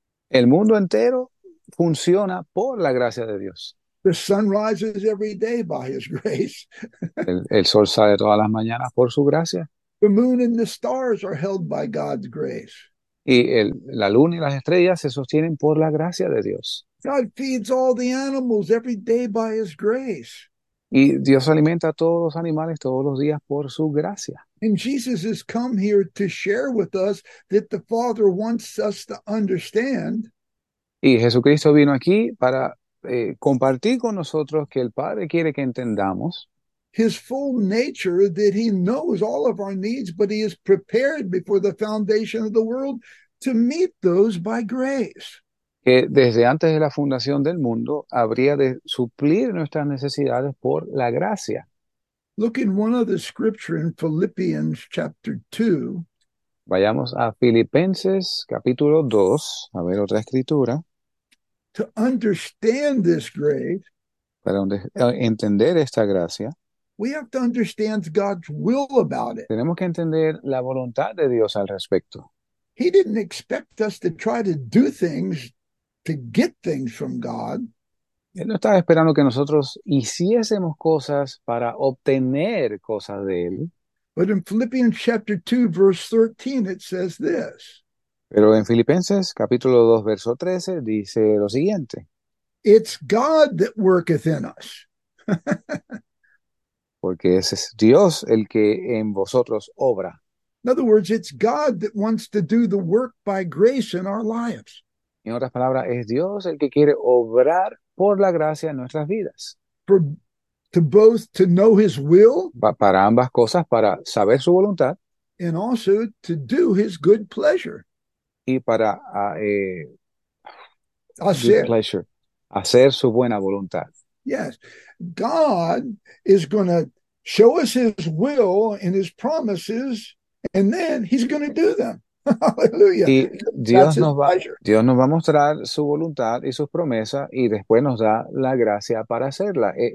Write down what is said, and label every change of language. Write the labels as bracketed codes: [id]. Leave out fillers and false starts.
[es] El mundo entero funciona por la gracia de Dios. [en] The sun rises every day by his grace. [es] El sol sale todas las mañanas por su gracia. [en] The moon and the stars are held by God's grace. [es] Y la luna y las estrellas se sostienen por la gracia de Dios. [en] God feeds all the animals every day by his grace. [es] Y Dios alimenta a todos los animales todos los días por su gracia. [en] And Jesus has come here to share with us that the Father wants us to understand. [es] Y Jesucristo vino aquí para compartir con nosotros que el Padre quiere que entendamos [en] His full nature, that he knows all of our needs, but he is prepared before the foundation of the world to meet those by grace. [es] que desde antes de la fundación del mundo habría de suplir nuestras necesidades por la gracia. [en] Look in one other scripture in Philippians chapter 2. [es] Vayamos a Filipenses capítulo 2, a ver otra escritura, [en] To understand this grace, [es] para donde, entender esta gracia. [en] we have to understand God's will about it. [es] Tenemos que entender la voluntad de Dios al respecto. [en] He didn't expect us to try to do things to get things from God. [es] Él no estaba esperando que nosotros hiciésemos cosas para obtener cosas de Él. [en] But in Philippians chapter 2, verse 13, it says this. [es] Pero en Filipenses capítulo 2, verso 13, dice lo siguiente. [en] It's God that worketh in us. [es] Porque ese es Dios el que en vosotros obra. [en] In other words, it's God that wants to do the work by grace in our lives. [es] En otras palabras, es Dios el que quiere obrar por la gracia en nuestras vidas. [en] To know his will [es] Para ambas cosas, para saber su voluntad [en] and also to do his good pleasure. [es] y para [en] good [es] Hacer. [en] pleasure, [es] hacer su buena voluntad. [en] Yes. God is going to show us his will and his promises. And then he's going to do them. Hallelujah. [es] Y [en] That's his pleasure. [es] Dios nos va a mostrar su voluntad y sus promesas y después nos da la gracia para hacerla.